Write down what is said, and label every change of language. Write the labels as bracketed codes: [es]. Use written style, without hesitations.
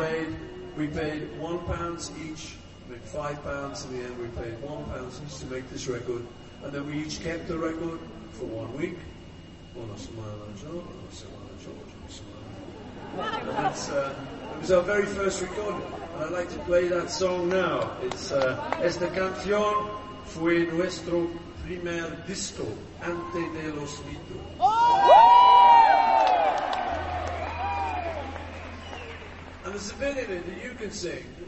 [en] And we paid £1 each, made £5 in the end. We paid £1 each to make this record. And then we each kept the record for 1 week. One of Smile and George, one of Smile and George, one of Smile and George. It was our very first recording. And I'd like to play that song now. [es] It's Esta canción fue nuestro primer disco antes de los Beatles. [en] Oh! And there's a bit in it that you can sing.